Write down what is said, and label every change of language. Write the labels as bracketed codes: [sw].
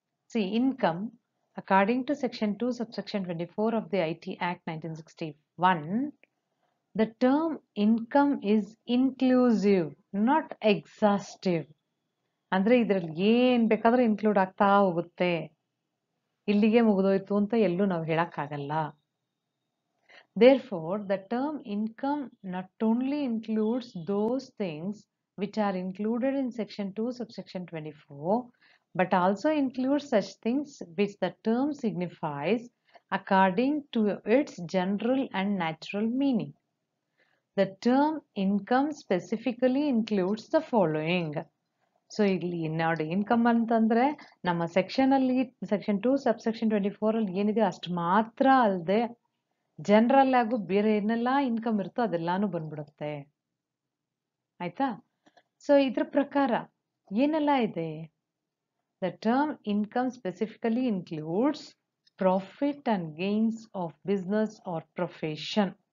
[en] C, income according to section 2 sub section 24 of the I T act 1961, the term income is inclusive not exhaustive. [kn] ಅಂದ್ರೆ ಇದರಲ್ಲಿ ಏನ್ ಬೇಕಾದ್ರೂ include ಆಗ್ತಾ ಹೋಗುತ್ತೆ, ಇಲ್ಲಿಗೆ ಮುಗಿದೋಯ್ತು ಅಂತ ಎಲ್ಲೂ ನಾವು ಹೇಳಕ್ಕಾಗಲ್ಲ. [en] Therefore, the term income not only includes those things which are included in section 2, subsection 24, but also includes such things which the term signifies according to its general and natural meaning. The term income specifically includes the following. [kn] So ಇಲ್ಲಿ ನೋಡಿ, income ಅಂತಂದ್ರೆ ನಮ್ಮ section ಅಲ್ಲಿ section 2 ಸಬ್ section 24 ಅಲ್ಲಿ ಏನಿದೆ ಅಷ್ಟು ಮಾತ್ರ ಅಲ್ಲದೆ ಜನರಲ್ ಆಗು ಬೇರೆ ಏನೆಲ್ಲ ಇನ್ಕಮ್ ಇರುತ್ತೋ ಅದೆಲ್ಲಾನು ಬಂದ್ಬಿಡುತ್ತೆ, ಆಯ್ತಾ? ಸೊ ಇದ್ರ ಪ್ರಕಾರ ಏನೆಲ್ಲ ಇದೆ? [en] The term income specifically includes profit and gains of business or profession.